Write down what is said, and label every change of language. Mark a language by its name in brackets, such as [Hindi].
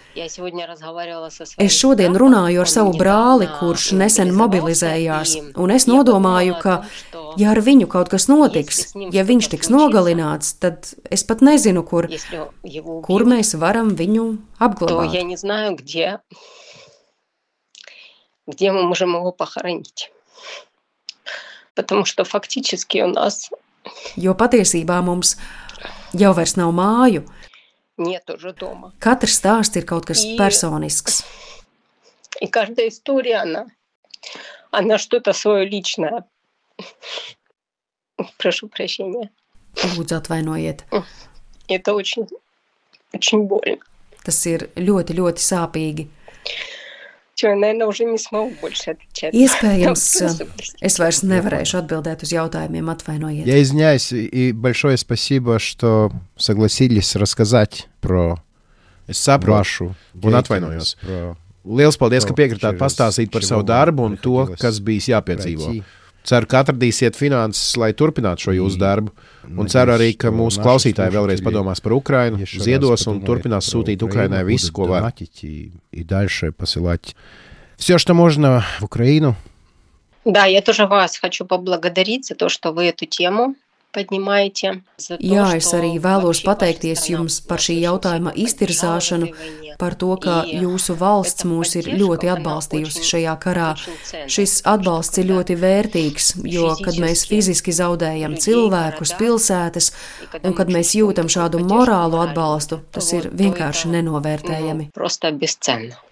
[Latvian] Es šodien runāju ar savu brāli, kurš nesen mobilizējās, un es nodomāju, ka Ja ar viņu kaut kas notiks, ja viņš tiks nogalināts, tad es pat nezinu, kur mēs varam viņu apglabāt. [Russian] Ja nezinu, kde mēs varam viņu pahranīt. Потому что фактически у нас [Latvian] Jo patiesībā mums jau vairs nav māju. [Russian] Нет уже дома. [Latvian] Katrs stāsts ir kaut kas personisks. [Russian] И каждая история она что-то своё личное. Прошу прощения. [Latvian] Lūdzu, atvainojiet. [Russian] Это очень больно. [Latvian] Tas ir ļoti, ļoti sāpīgi. Iespējams, es vairs nevarēšu atbildēt uz jautājumiem, atvainojiet. [Russian] Я извиняюсь и большое спасибо, что согласились рассказать про [Latvian] вашу. Un atvainojos. Liels paldies, ka piekritāt pastāstīt par savu darbu un to, kas bijis jāpiedzīvo. Ceru, ka atradīsiet finanses, lai turpinātu šo jūsu darbu, un ceru arī, ka mūsu klausītāji vēlreiz padomās par Ukrainu, ziedos un turpinās sūtīt Ukrainai visu, ko var. [Russian] И дальше посылать всё, что можно в Украину. Да, я тоже вас хочу поблагодарить за то, что вы эту тему поднимаете. [Latvian] Jā, es arī vēlos pateikties jums par šī jautājuma iztirzāšanu, par to, ka jūsu valsts mūs ir ļoti atbalstījusi šajā karā. Šis atbalsts ir ļoti vērtīgs, jo, kad mēs fiziski zaudējam cilvēkus, pilsētas, un kad mēs jūtam šādu morālu atbalstu, tas ir vienkārši nenovērtējami.